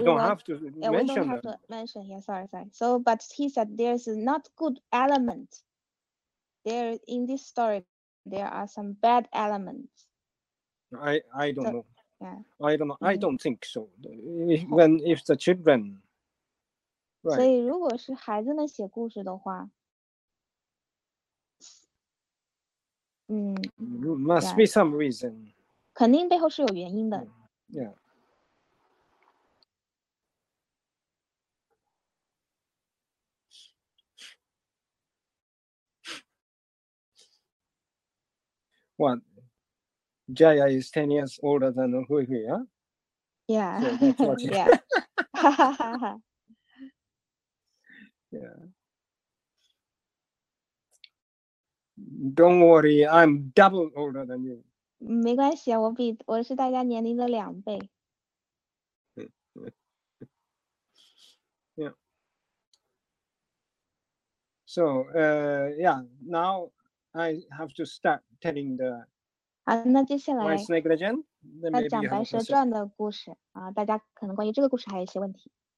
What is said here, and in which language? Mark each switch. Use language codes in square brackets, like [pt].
[en] don't have to mention here. Sorry. So, but he said there's not good element there in this story. There are some bad elements. I don't know. Yeah. I don't know. I don't think so. If the children Right. [zh] 所以如果是孩子们写故事的话，嗯 [en] ，must be some reason， [zh] 肯定背后是有原因的。 [en] Yeah. What? Jaya is 10 years older than Hui Hui, huh? Yeah. So that's what you... Yeah. Yeah. Don't worry, I'm double older than you. [zh] 没关系，我是大家年龄的两倍。 [en] Yeah. So, yeah, now I have to start telling the [zh] 好，那接下来 [en] White Snake Legend, [zh] 那讲白蛇传的故事啊，大家可能关于这个故事还有一些问题。